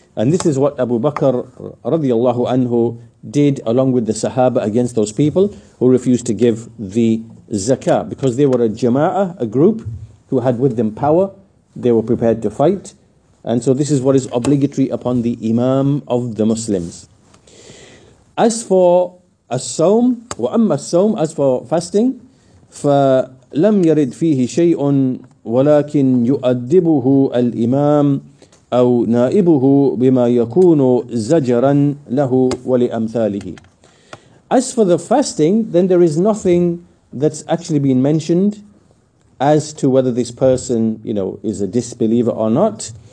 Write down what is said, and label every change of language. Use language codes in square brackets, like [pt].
[en] And this is what Abu Bakr radiallahu anhu did along with the Sahaba against those people who refused to give the zakah, because they were a jama'ah, a group who had with them power. They were prepared to fight. And so this is what is obligatory upon the imam of the Muslims. As for [ar] as-sawm, wa amma as-sawm, [en] as for fasting, [ar] فَلَمْ يَرِدْ فِيهِ شَيْءٌ وَلَكِنْ يُؤَدِّبُهُ الْإِمَامِ أو نائبه بما يكون زجرا له ولأمثاله. [en] As for the fasting, then there is nothing that's actually been mentioned as to whether this person, is a disbeliever or not.